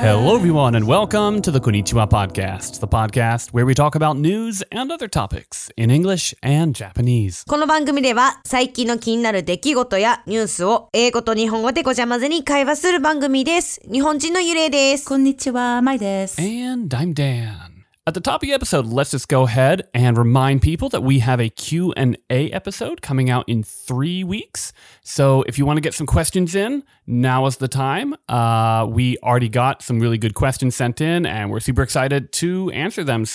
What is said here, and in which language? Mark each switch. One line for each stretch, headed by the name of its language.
English: Hello, everyone, and welcome to the Konnichiwa Podcast, the podcast where we talk about news and other topics in English and Japanese.
Japanese: この番組では最近の気になる出来事やニュースを英語と日本語でごちゃ混ぜに会話する番組です。日本人のゆれです。こんにちは、まいです。
English: And I'm Dan. At the top of the episode, let's just go ahead and remind people that we have a Q&A episode coming out in 3 weeks. So if you want to get some questions in, now is the time. We already got some really good questions sent in, and we're super excited to answer them.